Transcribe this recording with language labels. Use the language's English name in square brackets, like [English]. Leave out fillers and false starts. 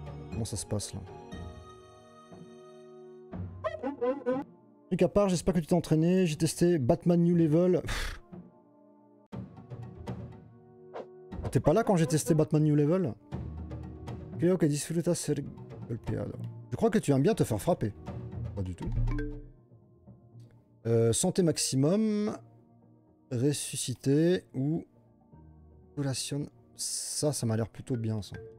[French] Comment ça se passe là? À part, j'espère que tu t'es entraîné. J'ai testé Batman New Level. T'es pas là quand j'ai testé Batman New Level? [Spanish] Creo que disfrutas ser golpeado. [French] Je crois que tu aimes bien te faire frapper. Pas du tout. Santé maximum. Ressuscité ou curation. Ça, ça m'a l'air plutôt bien ça.